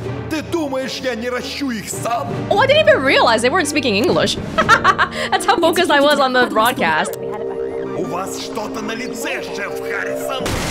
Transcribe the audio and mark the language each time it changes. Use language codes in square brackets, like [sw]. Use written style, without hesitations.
[ru] Ты думаешь, я не расщу их сам? [en] Oh, I didn't even realize they weren't speaking English. That's how focused I was on the broadcast. [ru] У вас что-то на лице, шеф Харрисон.